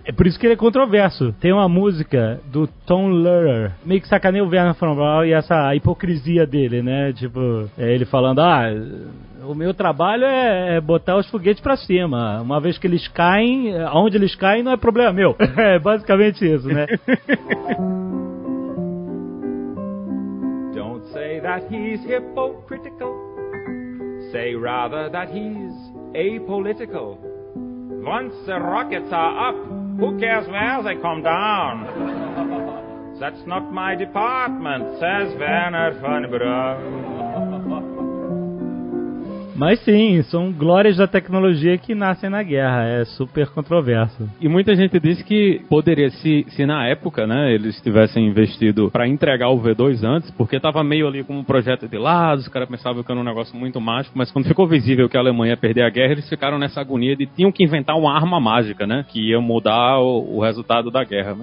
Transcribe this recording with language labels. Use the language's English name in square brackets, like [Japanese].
[Portuguese] É por isso que ele é controverso. Tem uma música do Tom Lehrer. Meio que sacaneia o Werner von Braun e essa hipocrisia dele, né? Tipo, é ele falando, o meu trabalho é botar os foguetes pra cima. Uma vez que eles caem, aonde eles caem não é problema meu. É basicamente isso, né? [English] Don't say that he's hypocritical. Say rather that he's apolitical. Once the rockets are up, who cares where they come down? That's not my department, says Werner von Braun. [Portuguese] Mas sim, são glórias da tecnologia que nascem na guerra. É super controverso. E muita gente diz que poderia, se na época, né, eles tivessem investido pra entregar o V2 antes, porque tava meio ali como um projeto de lado, os caras pensavam que era um negócio muito mágico, mas quando ficou visível que a Alemanha ia perder a guerra, eles ficaram nessa agonia de tinham que inventar uma arma mágica, né, que ia mudar o resultado da guerra.